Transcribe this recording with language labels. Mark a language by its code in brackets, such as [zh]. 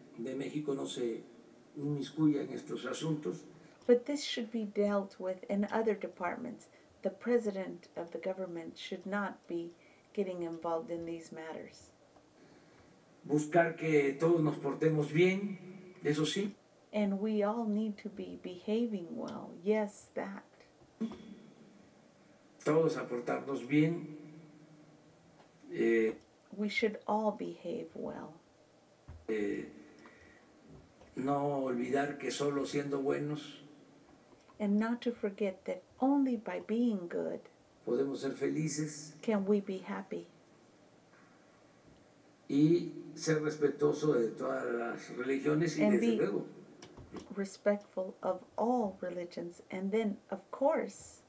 [es] de México no se inmiscuya en estos asuntos. [en] But this should be dealt with in other departments. The president of the government should not be getting involved in these matters. [es] Buscar que todos nos portemos bien, eso sí. [en] And we all need to be behaving well, yes, that. [es] Todos aportarnos bien. [en] We should all behave well. [es] No olvidar que solo siendo buenos. [en] And not to forget that only by being good. [es] Podemos ser felices. [en] Can we be happy. [es] Y ser respetuoso de todas las religiones y desde luego. [en] Respectful of all religions, and then, of course,